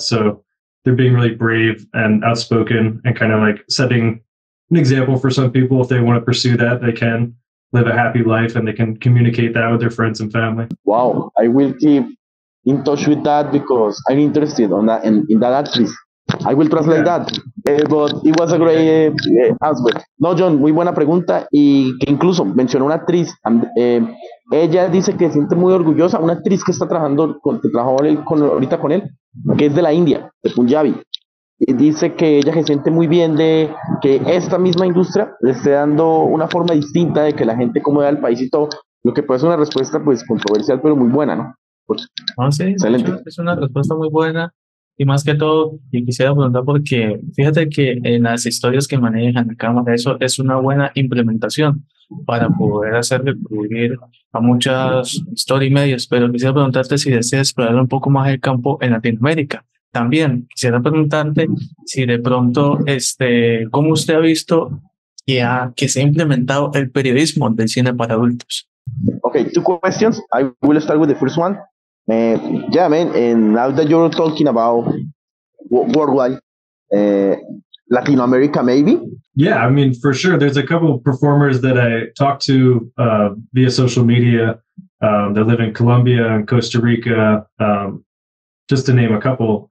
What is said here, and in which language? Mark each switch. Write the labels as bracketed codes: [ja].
[en] So they're being really brave and outspoken and kind of like setting an example for some people. If they want to pursue that, they can live a happy life and they can communicate that with their friends and family. Wow. I will keep in touch with that because I'm interested on that, in that actually. I will translate that, but it was a great answer. [es] No, John, muy buena pregunta, y que incluso mencionó una actriz, ella dice que se siente muy orgullosa, una actriz que está trabajando, ahorita con él, que es de la India, de Punjabi, y dice que ella se siente muy bien de que esta misma industria le esté dando una forma distinta de que la gente como vea el país y todo, lo que puede ser una respuesta pues controversial, pero muy buena, ¿no? Pues, excelente. Es una respuesta muy buena. Y más que todo, y quisiera preguntar porque fíjate que en las historias que manejan la cámara, eso es una buena implementación para poder hacer recurrir a muchas [en] story medias. [es] Pero quisiera preguntarte si deseas explorar un poco más el campo en Latinoamérica. También quisiera preguntarte si de pronto, ¿cómo usted ha visto que se ha implementado el periodismo del cine para adultos? [en] Ok, two questions. I will start with the first one. Yeah, man, and now that you're talking about worldwide, Latin America, maybe? Yeah, I mean, for sure. There's a couple of performers that I talk to via social media that live in Colombia and Costa Rica, just to name a couple.